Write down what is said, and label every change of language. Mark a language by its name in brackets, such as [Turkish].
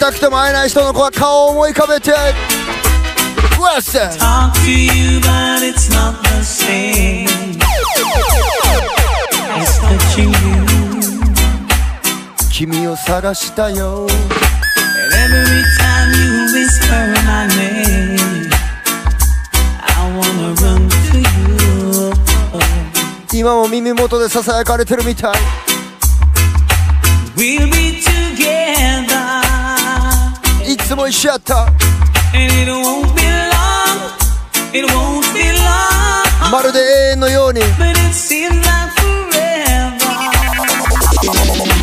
[Japanese] 会えない人の子は顔を思い浮かべて。 [English] Question Talk to you but it's not the same It's touching you [Japanese] 君を探したよ [English] And Every time you whisper my name, I wanna run to you. [Japanese] 今も耳元でささやかれてるみたい。 [English] We'll be together. [Japanese] いつも一緒やった。 [English] And it won't be long. It won't be long. [Japanese] まるで永遠のように。 [English] But it seems like forever.